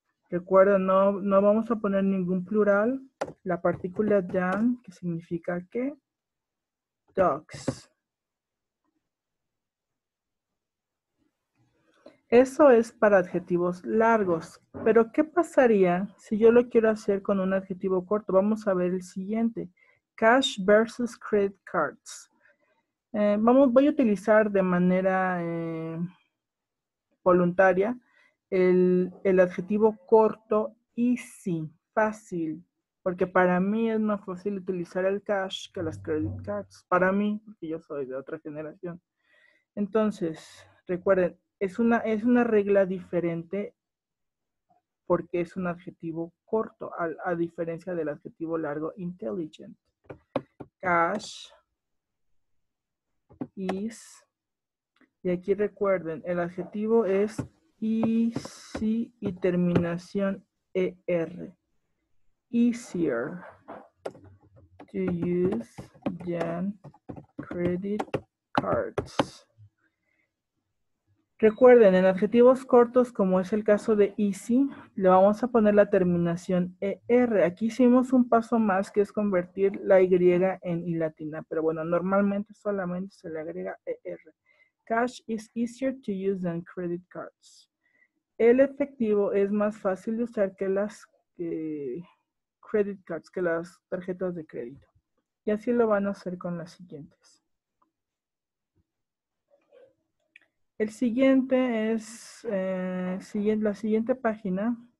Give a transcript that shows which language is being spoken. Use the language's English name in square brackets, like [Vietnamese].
[Spanish] Recuerda, no vamos a poner ningún plural. La partícula than, que significa que dogs. Eso es para adjetivos largos, pero ¿qué pasaría si yo lo quiero hacer con un adjetivo corto? Vamos a ver el siguiente. [English] Cash versus credit cards. [Spanish] Voy a utilizar de manera voluntaria el adjetivo corto easy, fácil, porque para mí es más fácil utilizar el cash que las credit cards. Para mí, porque yo soy de otra generación. Entonces, recuerden, es una regla diferente porque es un adjetivo corto, a diferencia del adjetivo largo intelligent. [English] Cash is, [Spanish] y aquí recuerden, el adjetivo es easy y terminación er. [English] Easier to use than credit cards. [Spanish] Recuerden, en adjetivos cortos, como es el caso de easy, le vamos a poner la terminación er. Aquí hicimos un paso más que es convertir la Y en I latina, pero bueno, normalmente solamente se le agrega er. [English] Cash is easier to use than credit cards. [Spanish] El efectivo es más fácil de usar que las credit cards, que las tarjetas de crédito. Y así lo van a hacer con las siguientes. El siguiente es la siguiente página.